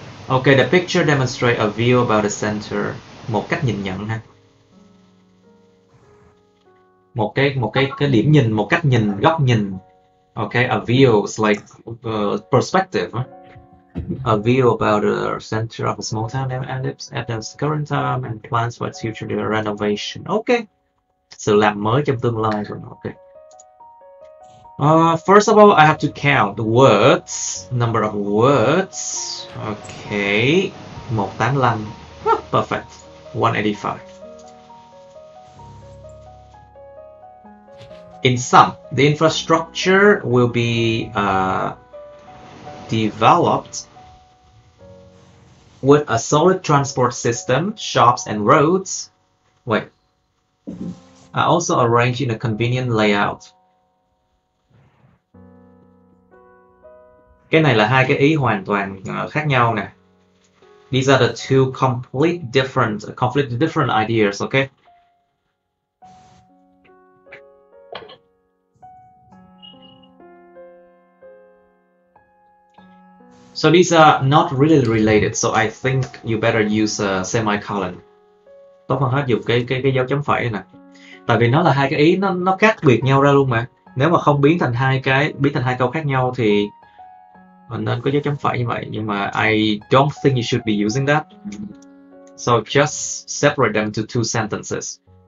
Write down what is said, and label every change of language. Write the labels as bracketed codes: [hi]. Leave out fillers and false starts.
[en] Okay, the picture demonstrates a view about the center. [vi] Một cách nhìn nhận ha. Một cái điểm nhìn, một cách nhìn, góc nhìn. [en] Okay, a view is like perspective. A view about the center of a small town at the current time and plans for its future renovation. [vi] Okay, sự làm mới trong tương lai rồi. [en] Okay. First of all, I have to count the words, number of words. Okay, 185. Huh, perfect, 185. In sum, the infrastructure will be developed with a solid transport system, shops and roads. Wait, I also arrange in a convenient layout. [vi] Cái này là hai cái ý hoàn toàn khác nhau nè. [en] These are the two completely different ideas, okay? So these are not really related, so I think you better use a semicolon. [vi] Tốt hơn hết dùng cái dấu chấm phẩy nè. Tại vì nó là hai cái ý nó khác biệt nhau ra luôn mà. Nếu mà không biến thành hai câu khác nhau thì nên có dấu chấm phẩy như vậy, nhưng mà [en] I don't think you should be using that. So just separate them to two sentences.